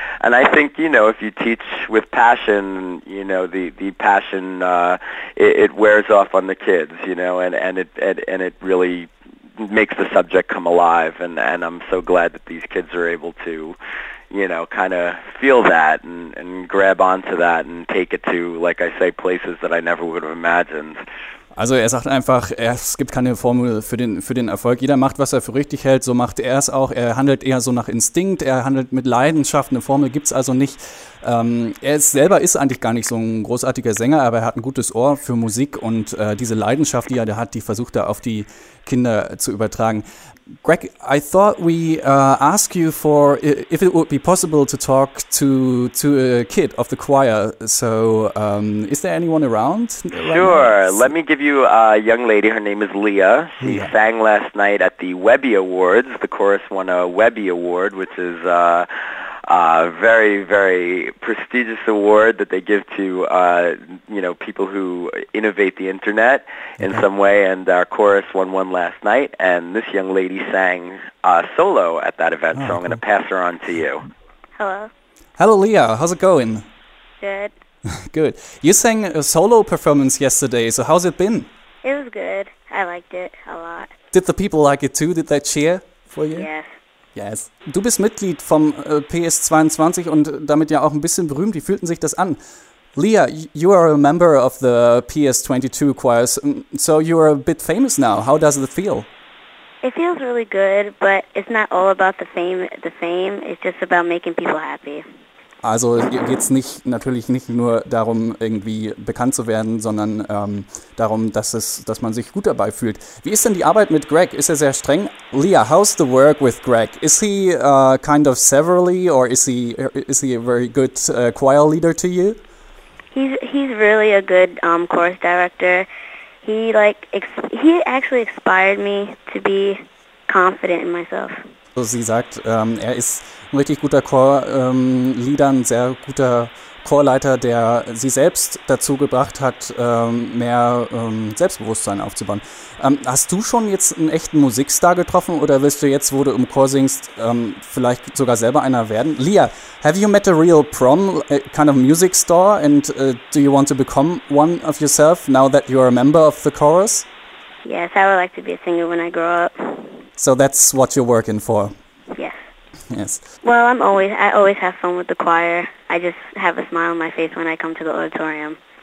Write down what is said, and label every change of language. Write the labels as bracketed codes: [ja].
[en] And I think, if you teach with passion, the passion, it wears off on the kids, and it really makes the subject come alive. And I'm so glad that these kids are able to, kind of feel that and grab onto that and take it to, like I say, places that I never would have imagined. [de] Also er sagt einfach, es gibt keine Formel für den Erfolg. Jeder macht, was er für richtig hält, so macht er es auch. Er handelt eher so nach Instinkt, er handelt mit Leidenschaft. Eine Formel gibt es also nicht. Er selber ist eigentlich gar nicht so ein großartiger Sänger, aber er hat ein gutes Ohr für Musik und diese Leidenschaft, die er da hat, die versucht er auf die Kinder zu übertragen. [en] Greg, I thought we ask you for if it would be possible to talk to a kid of the choir. So, is there anyone around? Sure. Let me give you a young lady. Her name is Leah. She sang last night at the Webby Awards. The chorus won a Webby Award, which is a very, very prestigious award that they give to people who innovate the internet in some way, and our chorus won one last night, and this young lady sang solo at that event, so I'm going to pass her on to you. Hello. Hello, Leah. How's it going? Good. Good. You sang a solo performance yesterday, so how's it been? It was good. I liked it a lot. Did the people like it too? Did they cheer for you? Yes. [de] Du bist Mitglied vom PS22 und damit ja auch ein bisschen berühmt. Wie fühlten sich das an? [en] Leah, you are a member of the PS22 choir, so you are a bit famous now. How does it feel? It feels really good, but it's not all about the fame. It's just about making people happy. [de] Also geht's nicht natürlich nicht nur darum, irgendwie bekannt zu werden, sondern darum, dass man sich gut dabei fühlt. Wie ist denn die Arbeit mit Greg? Ist er sehr streng? [en] Leah, how's the work with Greg? Is he kind of severely, or is he a very good choir leader to you? He's really a good chorus director. He actually inspired me to be confident in myself. [de] Sie sagt, er ist ein richtig guter Chorleader, ein sehr guter Chorleiter, der sie selbst dazu gebracht hat, mehr Selbstbewusstsein aufzubauen. Hast du schon jetzt einen echten Musikstar getroffen oder willst du jetzt, wo du im Chor singst, vielleicht sogar selber einer werden? [en] Leah, have you met a real prom, a kind of music star, and do you want to become one of yourself now that you are a member of the chorus? Yes, I would like to be a singer when I grow up. So that's what you're working for? Yes. Yes. Well, I always have fun with the choir. I just have a smile on my face when I come to the auditorium.